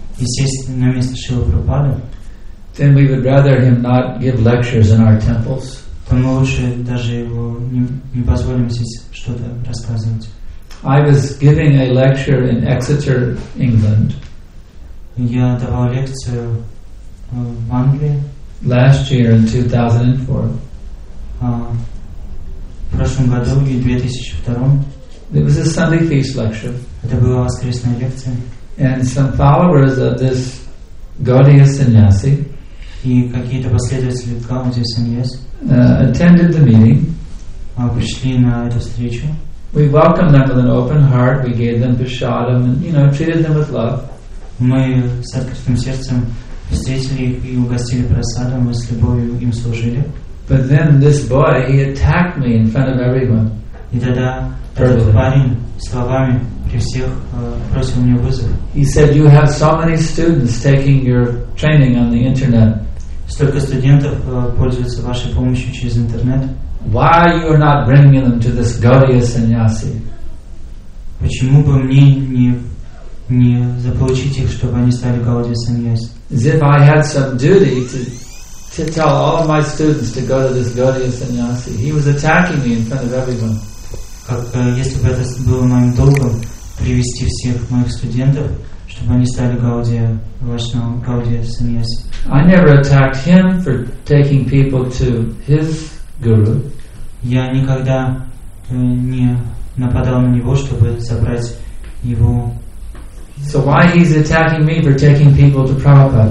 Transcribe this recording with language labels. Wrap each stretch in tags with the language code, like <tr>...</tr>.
<ru>и сесть на место Шрила Прабхупады,</ru> <en>then we would rather him not give lectures in our temples.</en> <ru>То мы лучше даже его не позволим здесь что-то рассказывать.</ru> <en>I was giving a lecture in Exeter, England.</en> <ru>Я давал лекцию в Англии.</ru> <en>Last year in 2004.</en> <ru>В прошлом году, в 2002.</ru> <en>It was a Sunday feast lecture.</en> <ru>Это была воскресная лекция.</ru> <en>And some followers of this Gaudiya Sannyasi,</en> <ru>и какие-то последователи Gaudiya Sannyasi,</ru> <en>attended the meeting.</en> <ru>Пришли на эту встречу.</ru> <en>We welcomed them with an open heart. We gave them prasadam and, you know, treated them with love.</en> <ru>Мы с открытым сердцем встретили их и угостили просадом, мы с любовью им служили.</ru> <en>But then this boy, he attacked me in front of everyone.</en> <ru>И тогда этот парень словами при всех бросил мне вызов.</ru> <en>He said, you have so many students taking your training on the internet.</en> <ru>Столько студентов пользуются вашей помощью через интернет.</ru> <en>Why you are not bringing them to this Gaudiya Sannyasi?</en> <ru>Почему бы мне не заполучить их, чтобы они стали Gaudiya Sannyasi?</ru> <en>As if I had some duty to tell all of my students to go to this Gaudiya Sannyasi. He was attacking me in front of everyone.</en> <ru>Как если бы это было моим долгом привести всех моих студентов, чтобы они стали Gaudiya Sannyasi.</ru> <en>I never attacked him for taking people to his guru.</en> <ru>Я никогда не нападал на него, чтобы забрать его.</ru> <en>So why he's attacking me for taking people to Prabhupada?</en>